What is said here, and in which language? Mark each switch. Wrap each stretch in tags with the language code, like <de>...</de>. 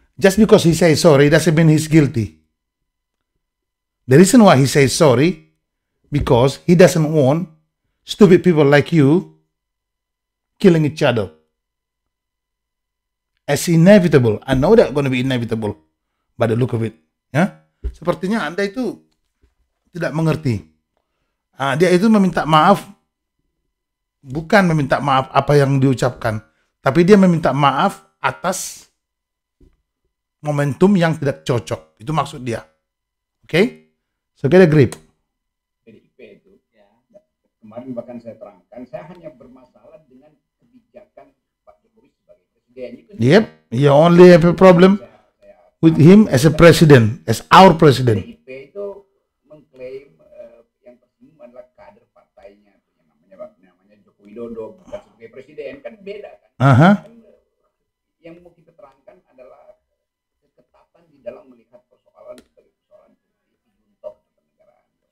<en>Just because he says sorry doesn't mean he's guilty. The reason why he says sorry, because he doesn't want stupid people like you killing each other. As inevitable. I know that going to be inevitable by the look of it.</en> <id>Ya? Sepertinya Anda itu tidak mengerti. Dia itu meminta maaf. Bukan meminta maaf apa yang diucapkan. Tapi dia meminta maaf atas momentum yang tidak cocok. Itu maksud dia.</id> <en>Okay? So get a grip.</en> <id>PDIP itu, ya, kemarin bahkan saya terangkan, saya hanya bermasalah dengan kebijakan Pak Jokowi sebagai presiden.</id> <en>Yep, you only have a problem with him as a president, as our president.</en> <id>PDIP itu mengklaim yang tersinggung adalah kader partainya, namanya Joko Widodo, bukan sebagai presiden, kan beda. Uh-huh. Yang mau kita terangkan adalah ketetapan di dalam melihat persoalan sebagai persoalan untuk penegaraan.</id>